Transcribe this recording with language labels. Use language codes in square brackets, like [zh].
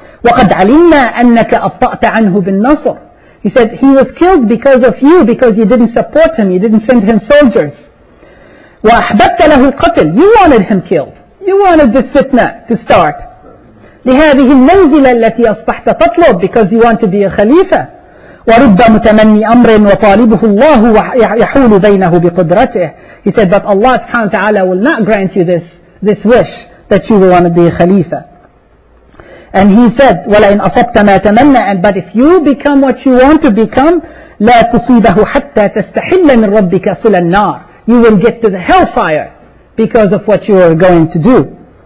[ar] وقد علمنا أنك أبطأت عنه بالنصر [en] He said, he was killed because of you, because you didn't support him, you didn't send him soldiers. [ar] وأحببت له القتل. [en] You wanted him killed. You wanted this fitna to start. [ar] لهذه المنزلة التي أصبحت تطلب [en] because you want to be a خليفة. [ar] ورب متمني أمر وطالبه الله يحول بينه بقدرته. [en] He said that Allah سبحانه وتعالى will not grant you this wish that you will want to be a خليفة. And he said, [ar] ولئن أصبت ما تمنى [en] and but if you become what you want to become, [ar] لا تصيبه حتى تستحل من ربك صلى النار. [en] You will get to the hellfire because of what you are going to do.